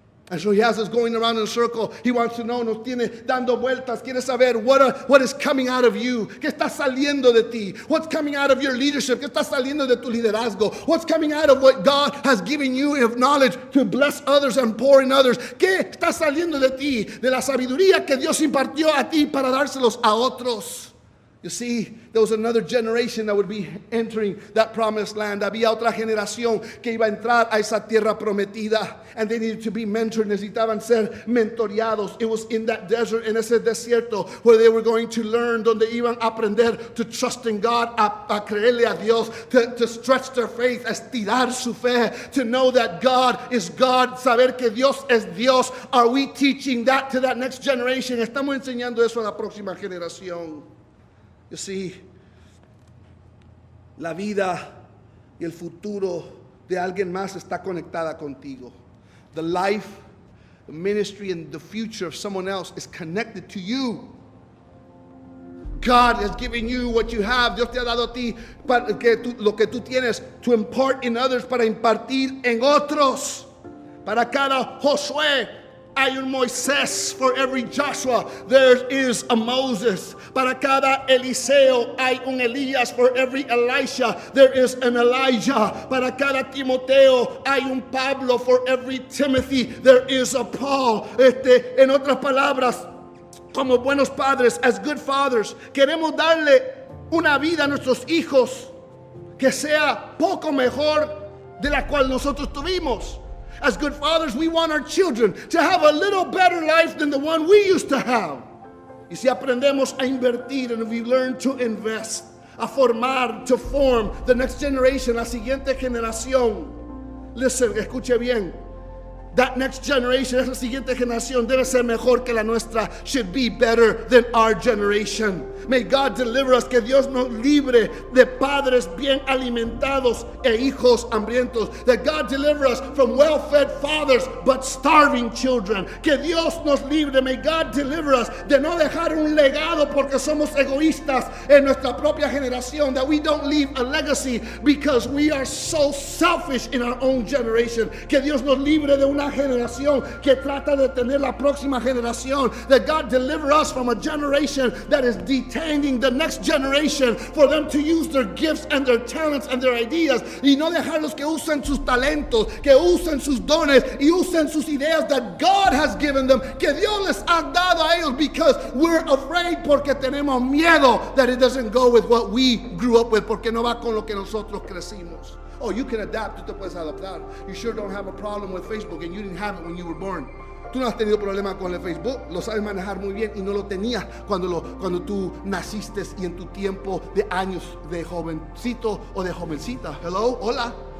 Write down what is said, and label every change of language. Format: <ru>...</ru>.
<en>And so he has us going around in a circle. He wants to know,</en> <es>nos tiene dando vueltas. Quiere saber</es> <en>what is coming out of you.</en> <es>¿Qué está saliendo de ti?</es> <en>What's coming out of your leadership?</en> <es>¿Qué está saliendo de tu liderazgo?</es> <en>What's coming out of what God has given you of knowledge to bless others and pour in others?</en> <es>¿Qué está saliendo de ti? De la sabiduría que Dios impartió a ti para dárselos a otros.</es> <en>You see, there was another generation that would be entering that promised land.</en> <es>Había otra generación que iba a entrar a esa tierra prometida.</es> <en>And they needed to be mentored.</en> <es>Necesitaban ser mentoreados.</es> <en>It was in that desert,</en> <es>en ese desierto,</es> <en>where they were going to learn,</en> <es>donde iban a aprender</es> <en>to trust in God,</en> <es>a creerle a Dios,</es> <en>to stretch their faith,</en> <es>a estirar su fe,</es> <en>to know that God is God,</en> <es>saber que Dios es Dios.</es> <en>Are we teaching that to that next generation?</en> <es>Estamos enseñando eso a la próxima generación.</es> <en>You see,</en> <es>la vida y el futuro de alguien más está conectada contigo.</es> <en>The life, the ministry, and the future of someone else is connected to you. God has given you what you have.</en> <es>Dios te ha dado a ti para que tú, lo que tú tienes,</es> <en>to impart in others,</en> <es>para impartir en otros. Para cada Josué. Hay un Moisés.</es> <en>For every Joshua, there is a Moses.</en> <es>Para cada Eliseo, hay un Elías.</es> <en>For every Elisha, there is an Elijah.</en> <es>Para cada Timoteo, hay un Pablo.</es> <en>For every Timothy, there is a Paul.</en> <es>En otras palabras, como buenos padres,</es> <en>as good fathers,</en> <es>queremos darle una vida a nuestros hijos que sea poco mejor de la cual nosotros tuvimos.</es> <en>As good fathers, we want our children to have a little better life than the one we used to have.</en> <es>Y si aprendemos a invertir,</es> <en>and if we learn to invest,</en> <es>a formar,</es> <en>to form the next generation,</en> <es>la siguiente generación.</es> <en>Listen,</en> <es>escuche bien.</es> <en>That next generation,</en> <es>esa siguiente generación, debe ser mejor que la nuestra.</es> <en>Should be better than our generation. May God deliver us.</en> <es>Que Dios nos libre de padres bien alimentados e hijos hambrientos.</es> <en>That God deliver us from well-fed fathers but starving children.</en> <es>Que Dios nos libre.</es> <en>May God deliver us</en> <es>de no dejar un legado porque somos egoístas en nuestra propia generación.</es> <en>That we don't leave a legacy because we are so selfish in our own generation.</en> <es>Que Dios nos libre de una generación que trata de tener la próxima generación.</es> <en>That God deliver us from a generation that is detaining the next generation for them to use their gifts and their talents and their ideas.</en> <es>Y no dejarlos que usen sus talentos, que usen sus dones y usen sus ideas</es> <en>that God has given them,</en> <es>que Dios les ha dado a ellos,</es> <en>because we're afraid,</en> <es>porque tenemos miedo</es> <en>that it doesn't go with what we grew up with,</en> <es>porque no va con lo que nosotros crecimos.</es> <en>Oh, you can adapt.</en> <es>Tú te puedes adaptar.</es> <en>You sure don't have a problem with Facebook, and you didn't have it when you were born.</en> <es>Tú no has tenido problema con el Facebook. Lo sabes manejar muy bien y no lo tenías cuando tú naciste y en tu tiempo de años de jovencito o de jovencita. Hello, hola.</es>